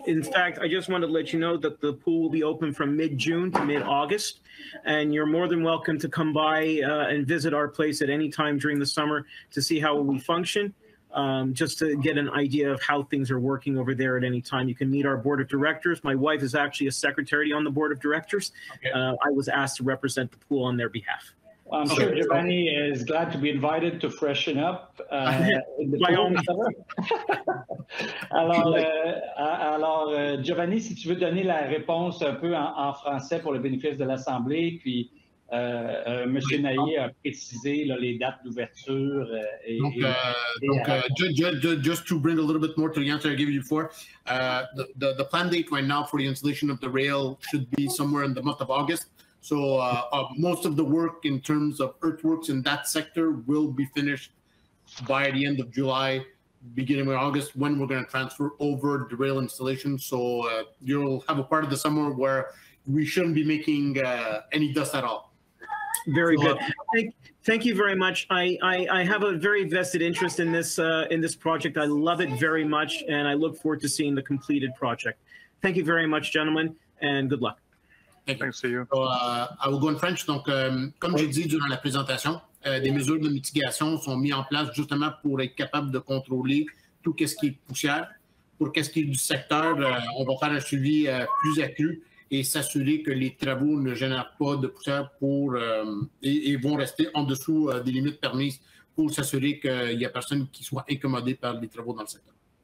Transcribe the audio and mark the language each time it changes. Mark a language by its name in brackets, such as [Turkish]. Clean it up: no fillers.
[English] In fact, I just wanted to let you know that the pool will be open from mid-June to mid-August, and you're more than welcome to come by and visit our place at any time during the summer to see how we function, just to get an idea of how things are working over there at any time. You can meet our board of directors. My wife is actually a secretary on the board of directors. Okay. I was asked to represent the pool on their behalf. Well, I'm sure Giovanni is glad to be invited to freshen up in the summer. [French] alors, Giovanni, si tu veux donner la réponse un peu en français pour le bénéfice de l'Assemblée, puis M. Naillet a précisé là, les dates d'ouverture. [English] Just to bring a little bit more to the answer I gave you before, the plan date right now for the installation of the rail should be somewhere in the month of August. So most of the work in terms of earthworks in that sector will be finished by the end of July, beginning of August, when we're going to transfer over the rail installation. So you'll have a part of the summer where we shouldn't be making any dust at all. Very good. Thank you very much. I have a very vested interest in this project. I love it very much, and I look forward to seeing the completed project. Thank you very much, gentlemen, and good luck. Thanks. So, I will go in French. [French] Donc, comme j'ai dit durant la présentation, des mesures de mitigation sont mises en place justement pour être capable de contrôler tout ce qui est poussière. Pour ce qui est du secteur, on va faire un suivi plus accru et s'assurer que les travaux ne génèrent pas de poussière pour et vont rester en dessous des limites permises pour s'assurer qu'il n'y a personne qui soit incommodé par les travaux dans le secteur.